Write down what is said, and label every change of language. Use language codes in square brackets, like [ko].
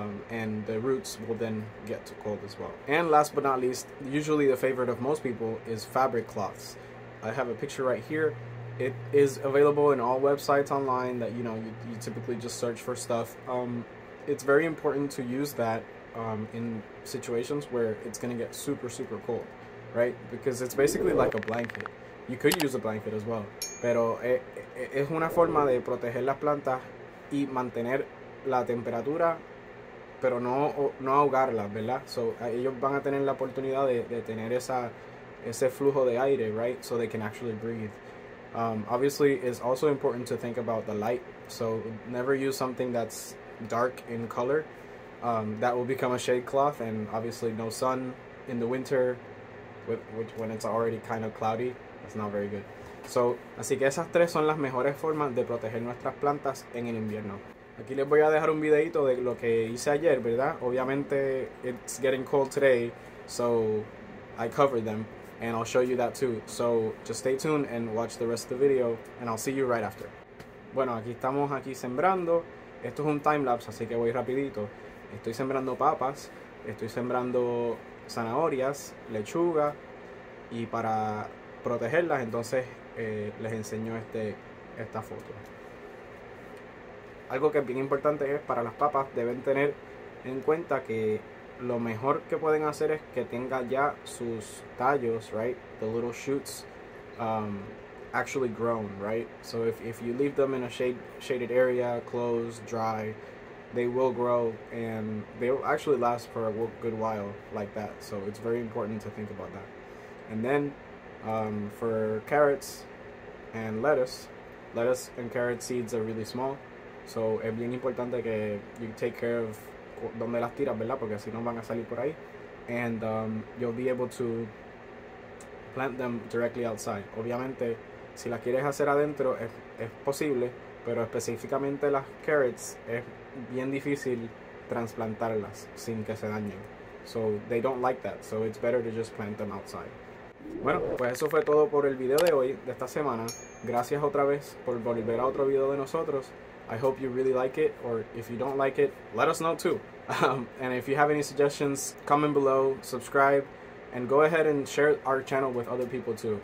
[en] And the roots will then get too cold as well. And last but not least, usually the favorite of most people is fabric cloths. I have a picture right here. It is available in all websites online that, you know, you typically just search for stuff. It's very important to use that in situations where it's going to get super, super cold, right? Because it's basically like a blanket. You could use a blanket as well. [es] Pero es una forma de proteger las plantas y mantener la temperatura, pero no ahogarlas, ¿verdad? So ellos van a tener la oportunidad de tener ese flujo de aire, right? [en] So they can actually breathe. Obviously, it's also important to think about the light. So never use something that's dark in color. That will become a shade cloth, and obviously no sun in the winter, which when it's already kind of cloudy, that's not very good. [es] So así que esas tres son las mejores formas de proteger nuestras plantas en el invierno. Aquí les voy a dejar un videito de lo que hice ayer, ¿verdad? [en] Obviamente, it's getting cold today, so I covered them, and I'll show you that too. So, just stay tuned and watch the rest of the video, and I'll see you right after. [es] Bueno, aquí estamos aquí sembrando. Esto es un time-lapse, así que voy rapidito. Estoy sembrando papas, estoy sembrando zanahorias, lechuga, y para protegerlas, entonces les enseño esta foto. Algo que es bien importante es para las papas, deben tener en cuenta que lo mejor que pueden hacer es que tenga ya sus tallos, right? [en] The little shoots actually grown, right? So if you leave them in a shaded area, closed, dry, they will grow and they will actually last for a good while like that. So it's very important to think about that. And then for carrots and lettuce and carrot seeds are really small. [es] So es bien importante que [en] you take care of [es] donde las tiras, ¿verdad? Porque si no van a salir por ahí. [en] And you'll be able to plant them directly outside. [es] Obviamente, si las quieres hacer adentro, es posible, pero específicamente las carrots, es bien difícil trasplantarlas sin que se dañen. [en] So they don't like that, so it's better to just plant them outside. [es] Bueno, pues eso fue todo por el video de hoy, de esta semana. Gracias otra vez por volver a otro video de nosotros. [en] I hope you really like it, or if you don't like it, let us know too. And if you have any suggestions, comment below, subscribe, and go ahead and share our channel with other people too.